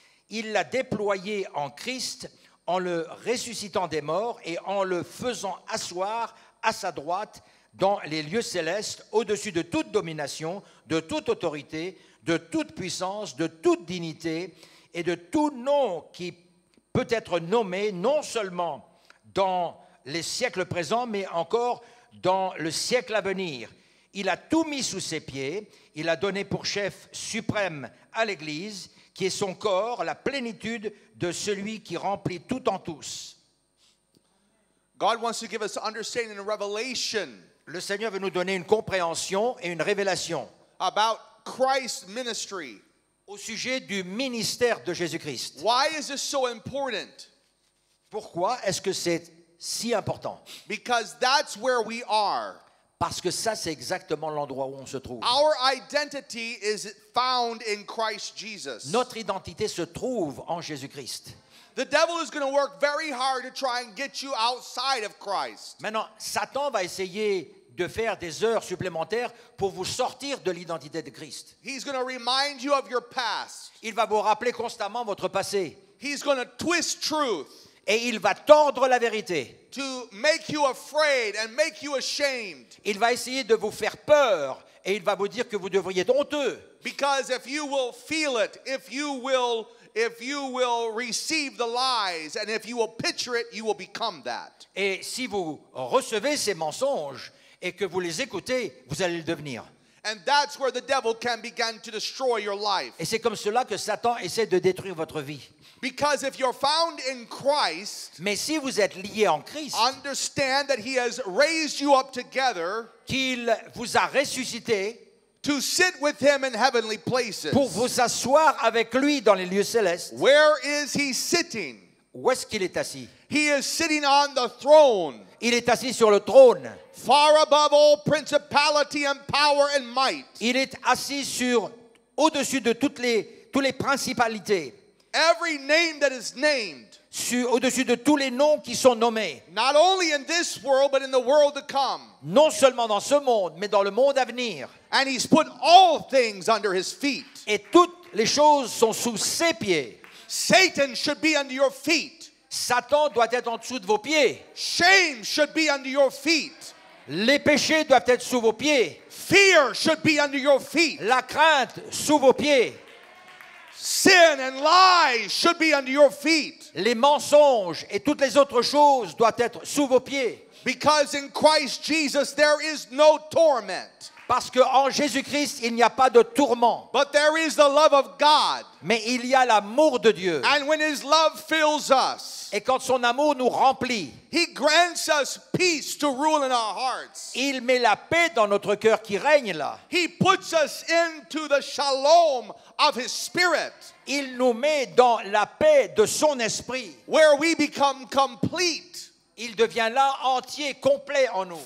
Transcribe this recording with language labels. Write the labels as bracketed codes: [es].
[fr] Il l'a déployée en Christ en le ressuscitant des morts et en le faisant asseoir à sa droite dans les lieux célestes, au-dessus de toute domination, de toute autorité, de toute puissance, de toute dignité et de tout nom qui peut être nommé, non seulement dans les siècles présents, mais encore dans le siècle à venir. Il a tout mis sous ses pieds. Il a donné pour chef suprême à l'Église, qui est son corps, la plénitude de celui qui remplit tout en tous. [en] God wants to give us understanding and revelation. [fr] Le Seigneur veut nous donner une compréhension et une révélation [en] about Christ's ministry. [fr] Au sujet du ministère de Jésus-Christ. [en] Why is this so important? [fr] Pourquoi est-ce que c'est si important? [en] Because that's where we are. [fr] Parce que ça, c'est exactement l'endroit où on se trouve. [en] Our identity is found in Christ Jesus. [fr] Notre identité se trouve en Jésus-Christ. [en] The devil is going to work very hard to try and get you outside of Christ. [fr] Maintenant, Satan va essayer de faire des heures supplémentaires pour vous sortir de l'identité de Christ. [en] He's going to remind you of your past. [fr] Il va vous rappeler constamment votre passé. [en] He's going to twist truth. [fr] Et il va tordre la vérité. [en] To make you afraid and make you ashamed. [fr] Il va essayer de vous faire peur et il va vous dire que vous devriez être honteux. [en] Because if you will feel it, if you will receive the lies and if you will picture it, you will become that. [fr] Et si vous recevez ces mensonges et que vous les écoutez, vous allez le devenir. [en] And that's where the devil can begin to destroy your life. [fr] Et c'est comme cela que Satan essaie de détruire votre vie. [en] Because if you're found in Christ, [fr] mais si vous êtes lié en Christ, [en] understand that he has raised you up together, [fr] qu'il vous a ressuscité, [en] to sit with him in heavenly places, [fr] pour vous asseoir avec lui dans les lieux célestes. [en] Where is he sitting? [fr] Où est-ce qu'il est assis? [en] He is sitting on the throne. [fr] Il est assis sur le trône. [en] Far above all principality and power and might. [fr] Il est assis sur au-dessus de toutes les principalités. [en] Every name that is named. [fr] Au-dessus de tous les noms qui sont nommés. [en] Not only in this world but in the world to come. [fr] Non seulement dans ce monde mais dans le monde à venir. [en] And he's put all things under his feet. [fr] Et toutes les choses sont sous ses pieds. [en] Satan should be under your feet. [fr] Satan doit être en dessous de vos pieds. [en] Shame should be under your feet. [fr] Les péchés doivent être sous vos pieds. [en] Fear should be under your feet. [fr] La crainte sous vos pieds. [en] Sin and lies should be under your feet. [fr] Les mensonges et toutes les autres choses doivent être sous vos pieds. [en] Because in Christ Jesus there is no torment. [fr] Parce que en Jésus-Christ, il n'y a pas de tourment. [en] But there is the love of God. [fr] Mais il y a l'amour de Dieu. [en] And when his love fills us, [fr] et quand son amour nous remplit, [en] he grants us peace to rule in our hearts. [fr] Il met la paix dans notre cœur qui règne là. [en] He puts us into the shalom of his spirit. [fr] Il nous met dans la paix de son esprit. [en] Where we become complete. [fr] Il devient là entier, complet en nous.